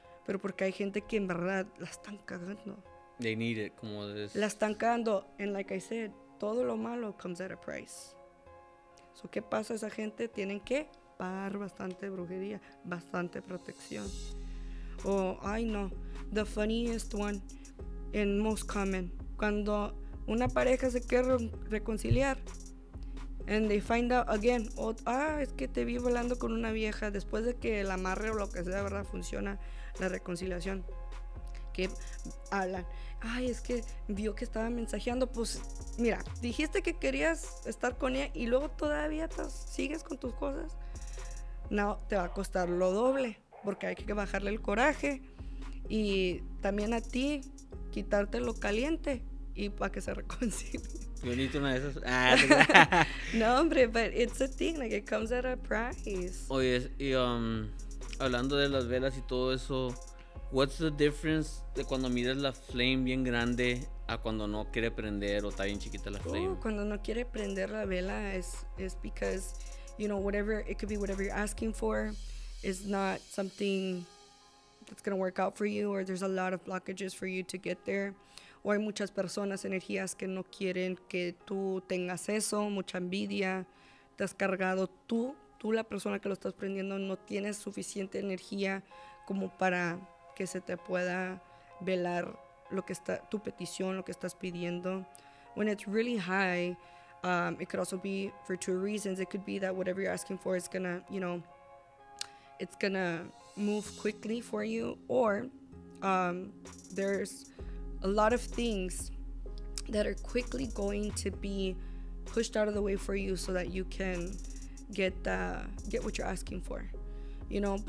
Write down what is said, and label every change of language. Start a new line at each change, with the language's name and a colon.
Spanish: Pero porque hay gente que en verdad la están cagando.
English: They need it. Como this.
Spanish: La están cagando.
English: And like I said,
Spanish: todo lo malo
English: comes at a price.
Spanish: So, ¿qué pasa? Esa gente tienen que pagar bastante brujería, bastante protección.
English: Oh, I know. The funniest one and most common.
Spanish: Cuando una pareja se quiere reconciliar,
English: and they find out again,
Spanish: es que te vi volando con una vieja, después de que el amarre o lo que sea, ¿verdad? Funciona la reconciliación. Que hablan, ay, es que vio que estaba mensajeando. Pues mira, dijiste que querías estar con ella y luego todavía sigues con tus cosas. No, te va a costar lo doble, porque hay que bajarle el coraje y también a ti quitarte lo caliente y para que se reconcilie. Yo necesito una de esas. No, hombre,
English: but it's a thing, like it comes at a price.
Spanish: Oye, y hablando de las velas y todo eso,
English: what's the difference
Spanish: de cuando miras la flame bien grande a cuando no quiere prender o está bien chiquita la flame? Cuando no quiere prender la vela es
English: because, you know, whatever, it could be whatever you're asking for is not something that's going to work out for you, or there's a lot of blockages for you to get there.
Spanish: O hay muchas personas, energías que no quieren que tú tengas eso, mucha envidia, te has cargado tú la persona que lo estás prendiendo, no tienes suficiente energía como para que se te pueda velar lo que está, tu petición, lo que estás pidiendo.
English: When it's really high, it could also be for two reasons. It could be that whatever you're asking for is gonna, you know, it's gonna move quickly for you, or there's a lot of things that are quickly going to be pushed out of the way for you so that you can get what you're asking for, you know.